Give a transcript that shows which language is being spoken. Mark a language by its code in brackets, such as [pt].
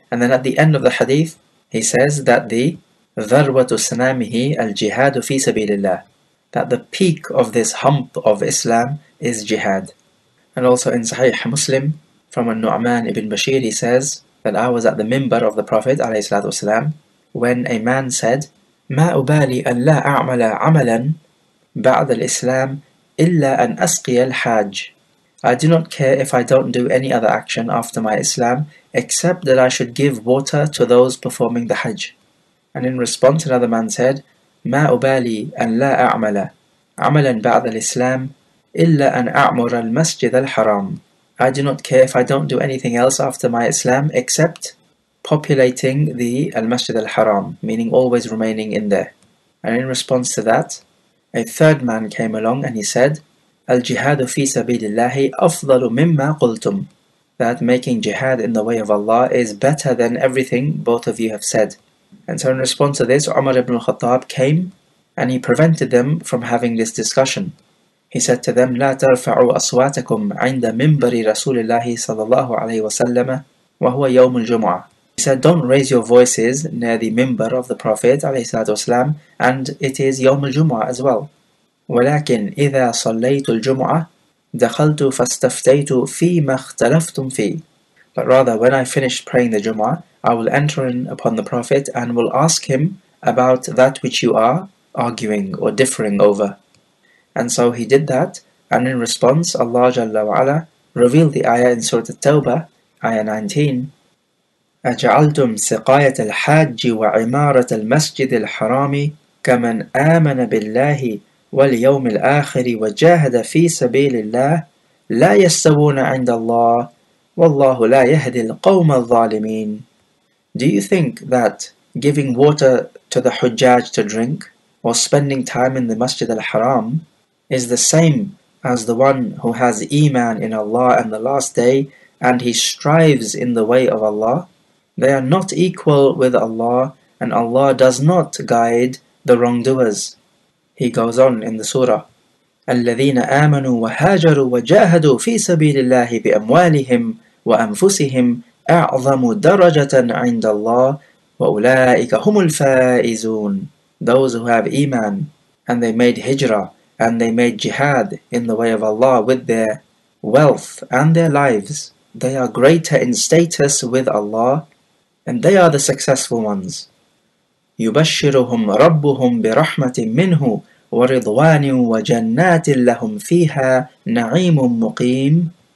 [en] And then at the end of the hadith, he says that the [ar] ذَرْوَةُ سَنَامِهِ الْجِهَادُ فِي سَبِيلِ اللَّهِ, [en] that the peak of this hump of Islam is jihad. And also in Sahih Muslim, from An-Nu'man ibn Bashir, he says that I was at the minbar of the Prophet ﷺ when a man said, [ar] مَا أُبَالِي أَلَّا أَعْمَلَ عَمَلًا بعد الإسلام إلا أن أسقي الحاج. [en] I do not care if I don't do any other action after my Islam, except that I should give water to those performing the Hajj. And in response, another man said, [ar] ما أبالي أن لا أعمل عملا بعد الإسلام إلا أن أعمر المسجد الحرام. [en] I do not care if I don't do anything else after my Islam, except populating the المسجد الحرام, meaning always remaining in there. And in response to that, a third man came along and he said, [ar] الجهاد في سبيل الله أفضل مما قلتم. [en] That making jihad in the way of Allah is better than everything both of you have said. And so in response to this, Umar ibn al-Khattab came and he prevented them from having this discussion. He said to them, [ar] لا ترفعوا أصواتكم عند منبر رسول الله صلى الله عليه وسلم وهو يوم الجمعة. [en] He said, don't raise your voices near the minbar of the Prophet [ar] عليه الصلاة والسلام, [en] and it is [ar] يوم الجمعة [en] as well. [ar] ولكن إذا صليت الجمعة دخلت فاستفتيت فيما اختلفتم فيه. [en] But rather, when I finish praying the Jumu'ah, I will enter in upon the Prophet and will ask him about that which you are arguing or differing over. And so he did that, and in response, Allah Jalla wa'ala revealed the ayah in Surah At-Tawbah, ayah 19. [ar] أَجَعَلْتُمْ سِقَايَةَ الْحَاجِّ وَعِمَارَةَ الْمَسْجِدِ الْحَرَامِ كَمَنْ آمَنَ بِاللَّهِ واليوم الآخر وجاهد في سبيل الله لا يستوون عند الله والله لا يهدي القوم الظالمين. [en] Do you think that giving water to the Hujjaj to drink or spending time in the Masjid al-Haram is the same as the one who has Iman in Allah and the Last Day and he strives in the way of Allah? They are not equal with Allah, and Allah does not guide the wrongdoers. He goes on in the surah, [ar] الَّذِينَ آمَنُوا وَهَاجَرُوا وَجَاهَدُوا فِي سَبِيلِ اللَّهِ بِأَمْوَالِهِمْ وَأَنفُسِهِمْ أَعْظَمُ دَرَجَةً عِنْدَ اللَّهِ وَأُولَٰئِكَ هُمُ الْفَائِزُونَ. [en] Those who have Iman and they made hijrah and they made jihad in the way of Allah with their wealth and their lives, they are greater in status with Allah and they are the successful ones. [ar] يُبَشِّرُهُمْ رَبُّهُمْ بِرَحْمَةٍ مِّنْهُ وَرِضْوَانٍ وَجَنَّاتٍ لَهُمْ فِيهَا نَعِيمٌ مُقِيمٌ.